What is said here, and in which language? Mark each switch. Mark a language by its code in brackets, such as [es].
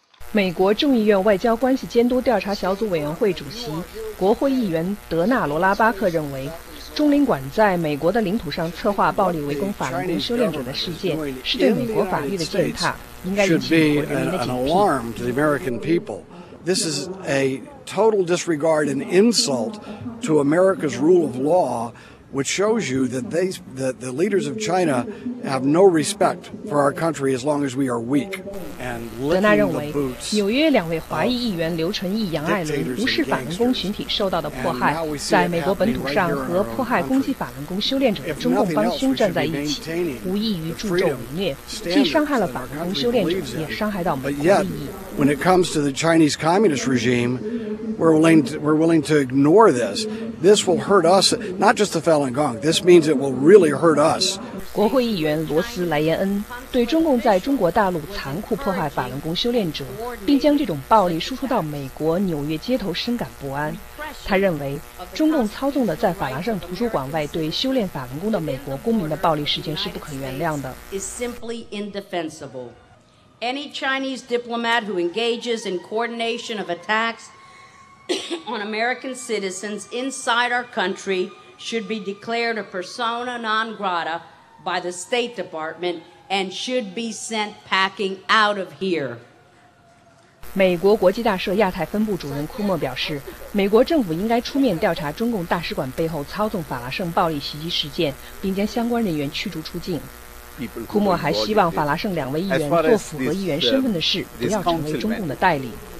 [zh] 美国众议院外交关系监督调查小组委员会主席、国会议员德纳·罗拉巴克认为，中领馆在美国的领土上策划暴力围攻法轮功修炼者的事件是对美国法律的践踏，应该引起美国人民的警惕。 [en] Should be an alarm to the American people. This is a total disregard and insult to America's rule of law, which shows you that the leaders of China have no respect for our country as long as we are weak. [zh] 德纳认为，纽约两位华裔议员刘纯义、杨爱伦无视法轮功群体受到的迫害，在美国本土上和迫害攻击法轮功修炼者的中共帮凶站在一起，无异于助纣为虐，既伤害了法轮功修炼者，也伤害到美国利益。 [en] But yet, when it comes to the Chinese communist regime, we're willing to ignore this. This will hurt us, not just the Falun Gong. This means it will really hurt us. [zh] 国会议员罗斯莱耶恩对中共在中国大陆残酷迫害法轮功修炼者，并将这种暴力输出到美国纽约街头深感不安。他认为，中共操纵的在法兰盛图书馆外对修炼法轮功的美国公民的暴力事件是不可原谅的。 [en] Is simply indefensible. Any Chinese diplomat who engages in coordination of attacks on American citizens inside our country should be declared a persona non grata by the State Department and should be sent packing out of here. [zh] 美国国际大社亚太分部主任库莫表示，美国政府应该出面调查中共大使馆背后操纵法拉盛暴力袭击事件，并将相关人员驱逐出境。库莫还希望法拉盛两位议员做符合议员身份的事，不要成为中共的代理。